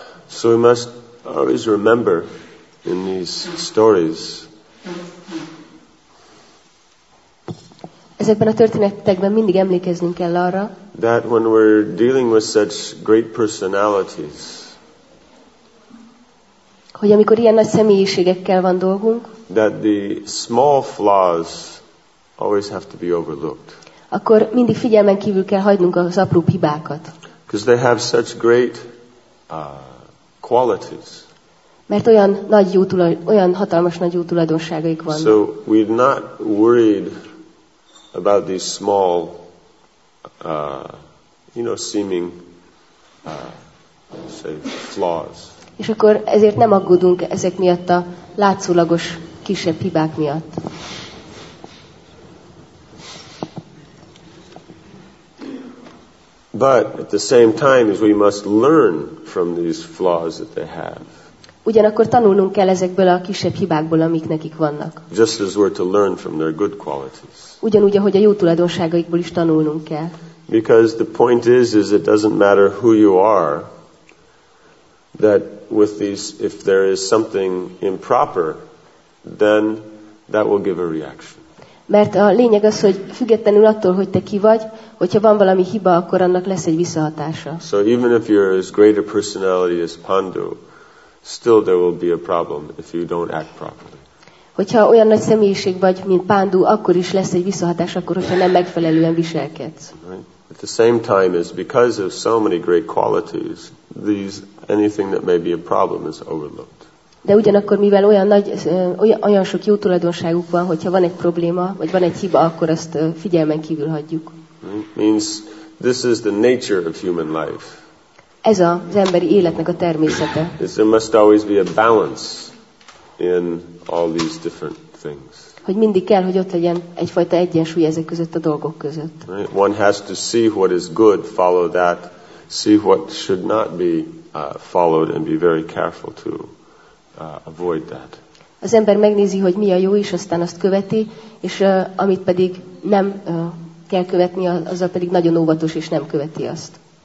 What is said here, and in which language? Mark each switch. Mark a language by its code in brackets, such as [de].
[en] So we must always remember in these stories. [hu] Ezekben a történetekben mindig emlékeznünk kell arra. [en] That when we're dealing with such great personalities. [hu] Hogy amikor ilyen nagy személyiségekkel van dolgunk. [en] That the small flaws always have to be overlooked. [hu] Akkor mindig figyelmen kívül kell hagynunk az apró hibákat. [en] Because they have such great qualities. [hu] Mert olyan nagy jó olyan hatalmas nagy jó tulajdonságaik van. [en] So we're not worried about these small seeming say flaws. [hu] És akkor ezért nem aggódunk ezek miatt a látszólagos kisebb hibák miatt. [en] But at the same time, as we must learn from these flaws that they have. [hu] Ugyanakkor tanulnunk kell ezekből a kisebb hibákból, amik nekik vannak. [en] Just as we're to learn from their good qualities. [hu] Ugyanúgy, ahogy a jó tulajdonságaikból is tanulnunk kell. [en] Because the point is it doesn't matter who you are, that with these, if there is something improper, then that will give a reaction. [hu] Mert a lényeg az, hogy függetlenül attól, hogy te ki vagy, hogyha van valami hiba, akkor annak lesz egy visszahatása. [en] So even if you're as great a personality as Pandu, still there will be a problem if you don't act properly. [hu] Hogyha olyan nagy személyiség vagy, mint Pandu, akkor is lesz egy visszahatás, akkor hogyha nem megfelelően viselkedsz. [en] Right. At the same time, is because of so many great qualities, these anything that may be a problem is overlooked. [hu] De ugyanakkor, mivel olyan nagy, olyan sok jó tulajdonságuk van, hogyha van egy probléma, vagy van egy hiba, akkor ezt figyelmen kívül hagyjuk. [en] Means this is the nature of human life. [hu] Ez az emberi életnek a természete. [en] There must always be a balance in all these different things. [hu] Hogy mindig kell, hogy ott legyen egyfajta egyensúly ezek között a dolgok között. [en] Right? One has to see what is good, follow that, see what should not be followed, and be very careful too. Avoid that. [hu] Az ember megnézi, hogy mi a jó, és aztán azt követi, és amit pedig nem kell követni, azzal pedig nagyon óvatos, és nem követi azt.